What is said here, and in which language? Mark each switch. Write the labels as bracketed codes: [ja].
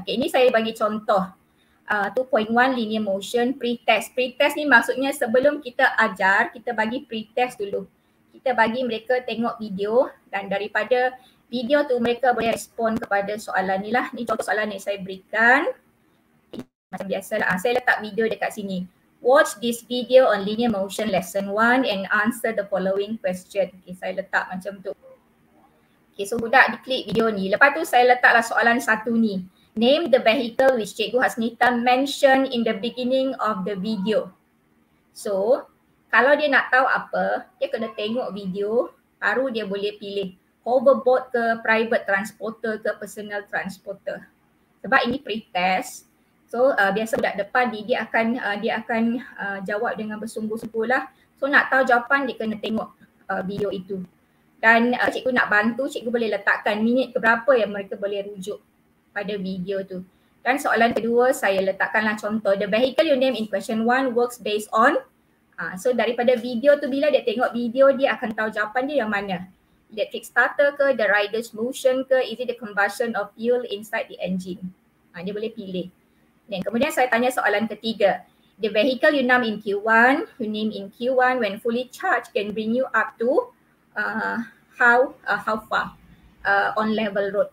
[ms] Okay, ini saya bagi contoh 2.1 linear motion pretest. Pretest ni maksudnya sebelum kita ajar, kita bagi pretest dulu. Kita bagi mereka tengok video dan daripada video tu mereka boleh respon kepada soalan ni lah. Ni contoh soalan ni saya berikan. Macam biasalah, saya letak video dekat sini. [en] Watch this video on linear motion lesson 1 and answer the following question. [ms] Okay, saya letak macam tu. Okay, so budak diklik video ni. Lepas tu saya letaklah soalan satu ni. [en] Name the vehicle which Cikgu Hasnita mentioned in the beginning of the video. [ms] So, kalau dia nak tahu apa, dia kena tengok video, baru dia boleh pilih hoverboard ke private transporter ke personal transporter. Sebab ini pretest. So, biasa budak depan ni dia akan jawab dengan bersungguh-sungguh lah. So, nak tahu jawapan dia kena tengok video itu. Dan cikgu nak bantu, cikgu boleh letakkan minit keberapa yang mereka boleh rujuk pada video tu. Dan soalan kedua, saya letakkanlah contoh. [en] The vehicle you name in question one works based on. [ms] So daripada video tu, bila dia tengok video, dia akan tahu jawapan dia yang mana. [en] Electric starter ke, the rider's motion ke, is it the combustion of fuel inside the engine? [ms] Dia boleh pilih. [en] Then, [ms] kemudian saya tanya soalan ketiga. [en] The vehicle you name in Q1 when fully charged can bring you up to how far on level road.